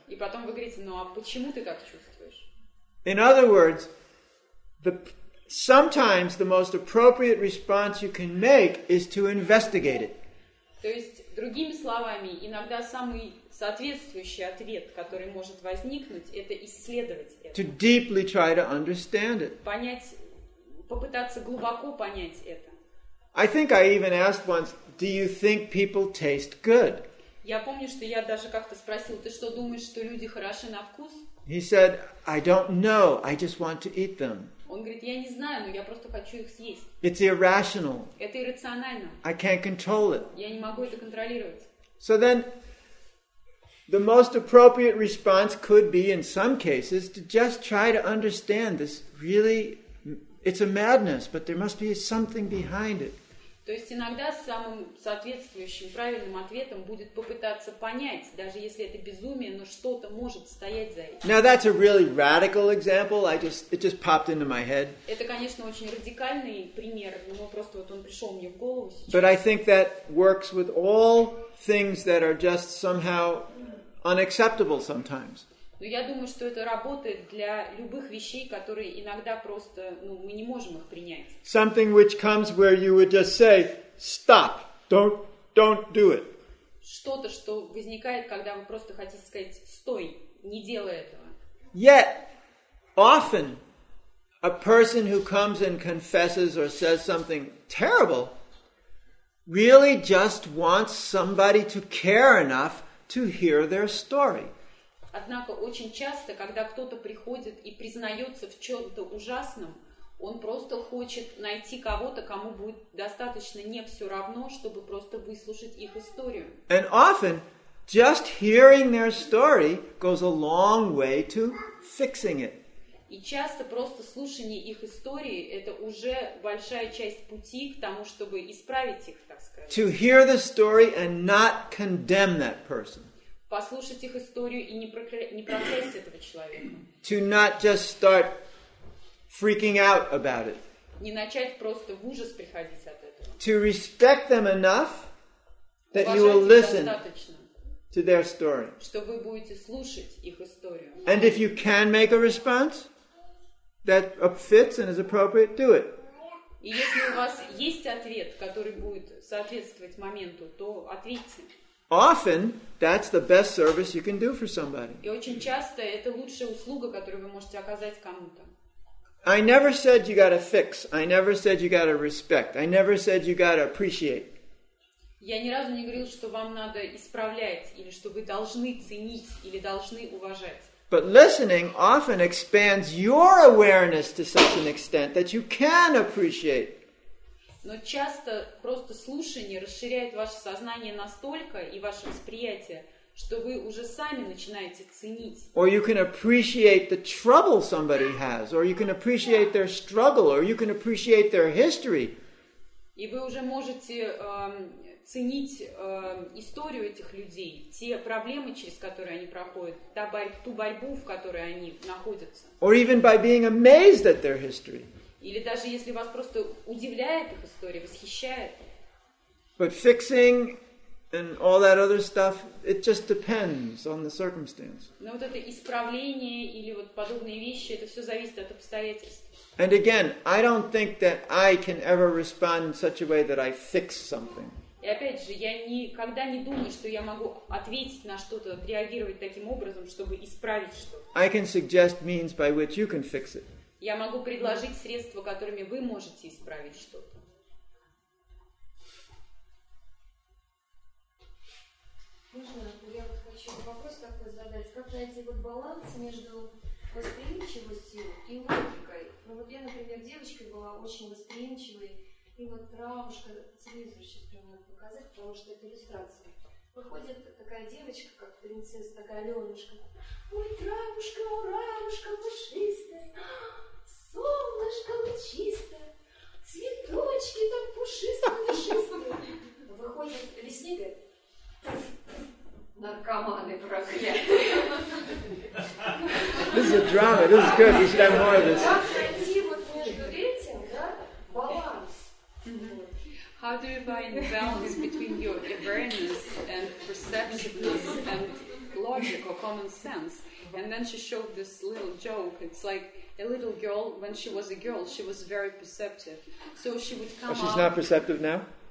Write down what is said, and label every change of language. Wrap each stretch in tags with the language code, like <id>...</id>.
<ru>И потом вы говорите, ну а почему ты так чувствуешь?</ru> <en>In other words, sometimes the most appropriate response you can make is to investigate it.</en> <ru>То есть, другими словами, иногда самый соответствующий ответ, который может возникнуть, это исследовать это.</ru> <en>To deeply try to understand it.</en> <ru>Понять, попытаться глубоко понять это.</ru> <en>I think I even asked once, do you think people taste good?</en> <ru>Я помню, что я даже как-то спросил, ты что думаешь, что люди хороши на вкус?</ru> <en>He said, I don't know, I just want to eat them.</en> <ru>Он говорит, я не знаю, но я просто хочу их съесть.</ru> <en>It's irrational.</en> <ru>Это иррационально.</ru> <en>I can't control it.</en> <ru>Я не могу это контролировать.</ru> <en>So then, the most appropriate response could be, in some cases, to just try to understand this really... It's a madness, but there must be something behind it.</en> <ru>То есть иногда самым соответствующим правильным ответом будет попытаться понять, даже если это безумие, но что-то может стоять за этим.</ru> <en>Now that's a really radical example. It just popped into my head.</en> <ru>Это, конечно, очень радикальный пример, но просто вот он пришел мне в голову сейчас.</ru> <en>But I think that works with all things that are just somehow unacceptable sometimes.</en> <ru>Но я думаю, что это работает для любых вещей, которые иногда просто, ну, мы не можем их принять.</ru> <en>Something which comes where you would just say, stop, don't do it.</en> <ru>Что-то, что возникает, когда вы просто хотите сказать, стой, не делай этого.</ru> <en>Yet, often, a person who comes and confesses or says something terrible really just wants somebody to care enough to hear their story.</en> <ru>Однако очень часто, когда кто-то приходит и признается в чем-то ужасном, он просто хочет найти кого-то, кому будет достаточно не все равно, чтобы просто выслушать их историю.</ru> <en>And often, just hearing their story goes a long way to fixing it.</en> <ru>И часто просто слушание их истории – это уже большая часть пути к тому, чтобы исправить их, так сказать.</ru> <en>To hear the story and not condemn that person.</en> <ru>Послушать их историю и не проклясть этого человека.</ru> <en>To not just start freaking out about it.</en> <ru>Не начать просто в ужас приходить от этого.</ru> <en>To respect them enough that you will listen to their story.</en> <ru>Что вы будете слушать их историю.</ru> <en>And if you can make a response that fits and is appropriate, do it.</en> <ru>И если у вас есть ответ, который будет соответствовать моменту, то ответьте.</ru> <en>Often, that's the best service you can do for somebody.</en> <ru>И очень часто это лучшая услуга, которую вы можете оказать кому-то.</ru> <en>I never said you gotta fix. I never said you gotta respect. I never said you gotta appreciate.</en> <ru>Я ни разу не говорил, что вам надо исправлять, или что вы должны ценить, или должны уважать.</ru> <en>But listening often expands your awareness to such an extent that you can appreciate.</en> <ru>Но часто просто слушание расширяет ваше сознание настолько и ваше восприятие, что вы уже сами начинаете ценить.</ru> <en>Or you can appreciate the trouble somebody has, or you can appreciate their struggle, or you can appreciate their history.</en> <ru>И вы уже можете ценить историю этих людей, те проблемы, через которые они проходят, ту борьбу, в которой они находятся.</ru> <en>Or even by being amazed at their history.</en> <ru>Или даже если вас просто удивляет их история, восхищает.</ru> <en>But fixing and all that other stuff, it just depends on the circumstance.</en> <ru>Но вот это исправление или вот подобные вещи, это все зависит от обстоятельств.</ru> <en>And again, I don't think that I can ever respond in such a way that I fix something.</en> <ru>И опять же, я никогда не думаю, что я могу ответить на что-то, реагировать таким образом, чтобы исправить что-то.</ru> <en>I can suggest means by which you can fix it.</en> <ru>Я могу предложить средства, которыми вы можете исправить что-то. Можно? Я вот хочу вопрос такой задать. Как найти вот баланс между восприимчивостью и логикой? Ну вот я, например, девочкой была очень восприимчивой. И вот травушка, телевизор сейчас прямо надо показать, потому что это иллюстрация. Выходит такая девочка, как принцесса, такая Аленушка. Ой, травушка, уравушка, пушистая. Солнышко лучистое, цветочки там пушистые-пушистые. Выходит лесник и говорит, наркоманы проклятые.</ru> <en>This is a drama, this is good, we should have more of this.</en> <ru>Как найти вот между этим, да, баланс?</ru> <en>How do you find the balance between your awareness and perceptiveness and logic or common sense? And then she showed this little joke, it's like, a little girl, when she was a girl, she was very perceptive. So she would come out... Oh, she's not perceptive now?</en>